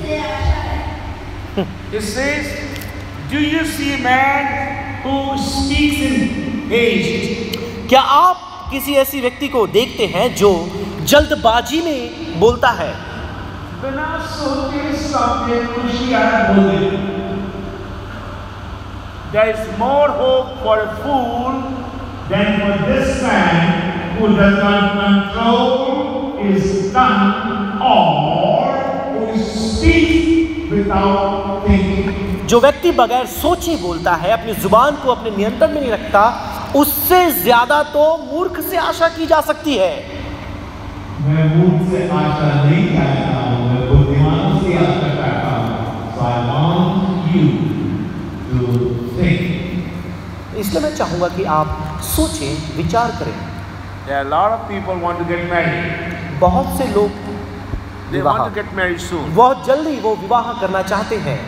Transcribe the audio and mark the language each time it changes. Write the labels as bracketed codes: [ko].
[en] He says, do you see a man who speaks in haste? [hi] क्या आप किसी ऐसी व्यक्ति को देखते हैं जो जल्दबाजी में बोलता है? बिना सोचे समझे खुशी आ बोले। [en] There is more hope for a fool than for this man who does not control his tongue or who speaks without thinking. [hi] जो व्यक्ति बगैर सोचे बोलता है, अपनी जुबान को अपने नियंत्रण में नहीं रखता, उससे ज्यादा तो मूर्ख से आशा की जा सकती है। मैं मूर्ख से आशा नहीं करता हूं, मैं बुद्धिमान से आशा करता हूं। [en] So I want you to think. [hi] इसलिए मैं चाहूंगा कि आप सोचें, विचार करें। [en] There are a lot of people want to get married. [hi] बहुत से लोग [en] They want to get married soon. [hi] बहुत जल्दी वो विवाह करना चाहते हैं।